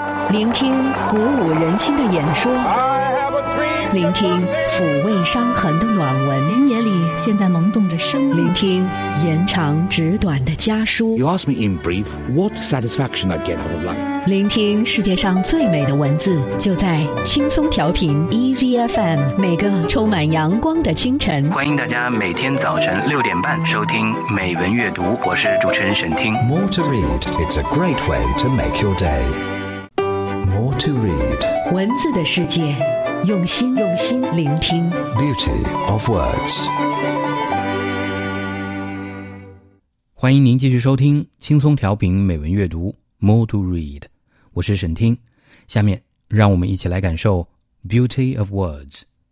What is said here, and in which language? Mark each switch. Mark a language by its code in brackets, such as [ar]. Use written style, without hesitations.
[zh] 聆听鼓舞人心的演说。 [en] I have a dream. [zh] 聆听抚慰伤痕的暖文，您眼里现在萌动着生命，聆听延长纸短的家书。 [en] You ask me in brief what satisfaction I get out of life. [zh] 聆听世界上最美的文字，就在轻松调频 EZFM， 每个充满阳光的清晨。欢迎大家每天早晨6:30收听美文阅读，我是主持人沈听。 [en] More to read, it's a great way to make your day. More to read. [zh] 文字的世界，用心用心聆听。 [en] Beauty of words. [zh] 欢迎您继续收听轻松调频美文阅读 [en] More to read. [zh] 我是沈听。下面让我们一起来感受 [en] Beauty of words.